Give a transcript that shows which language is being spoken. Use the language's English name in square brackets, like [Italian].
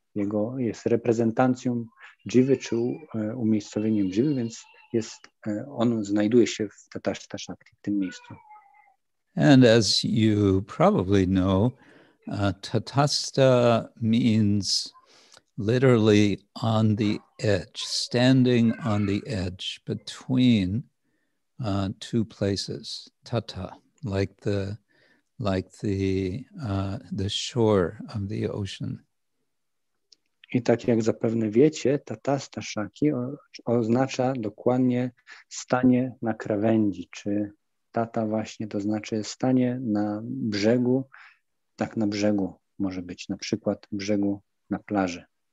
[Polish] Jego jest reprezentacją jivy czy umiejscowieniem jivy, więc jest, on znajduje się w Tatastha Shakti, w tym miejscu. [English] And as you probably know, Tatastha means literally on the edge, standing on the edge between two places, tata, like the shore of the ocean. [Polish] I tak jak zapewne wiecie, Tatastha Shakti oznacza dokładnie stanie na krawędzi, czy tata właśnie, to znaczy stanie na brzegu, tak na brzegu może być, na przykład brzegu na plaży.